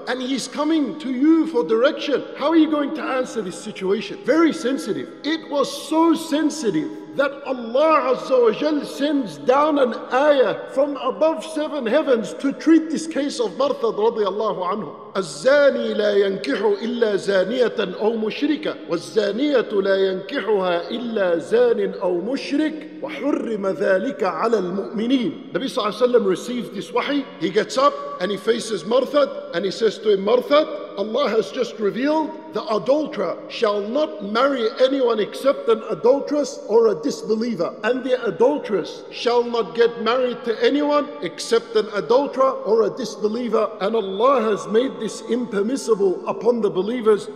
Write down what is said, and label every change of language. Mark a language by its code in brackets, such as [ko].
[en] And he's coming to you for direction. How are you going to answer this situation? Very sensitive. It was so sensitive that Allah Azza wa Jal sends down an ayah from above seven heavens to treat this case of Marthad radiallahu anhu. [ar] الزاني لا ينكح إلا زانية أو مشركة والزانية لا ينكحها إلا زان أو مشرك وحرم ذلك على المؤمنين. [en] Nabi Sallallahu Alaihi Wasallam received this wahi. He gets up and he faces Marthad and he says to him, Marthad, Allah has just revealed the adulterer shall not marry anyone except an adulteress or a disbeliever, and the adulteress shall not get married to anyone except an adulterer or a disbeliever, and Allah has made this impermissible upon the believers.